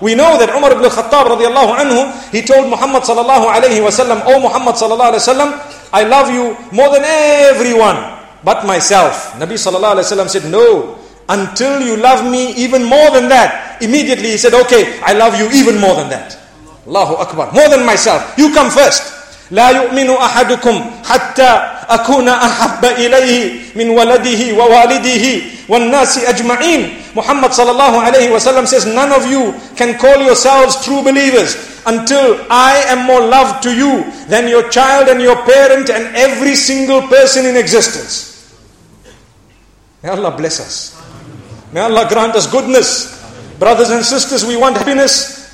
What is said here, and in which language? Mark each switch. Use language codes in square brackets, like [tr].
[en] We know that Umar ibn Khattab radiallahu anhu, he told Muhammad sallallahu alayhi wa sallam, O Muhammad sallallahu alayhi wa sallam, I love you more than everyone but myself. Nabi sallallahu alayhi wa sallam said, no, until you love me even more than that. Immediately he said, okay, I love you even more than that. Allahu Akbar. More than myself. You come first. [ar] لا يؤمن أحدكم حتى أكون أحب إليه من ولده ووالده والناس أجمعين. [en] Muhammad sallallahu alayhi wa sallam says, none of you can call yourselves true believers until I am more loved to you than your child and your parent and every single person in existence. May Allah bless us. May Allah grant us goodness. Brothers and sisters, we want happiness.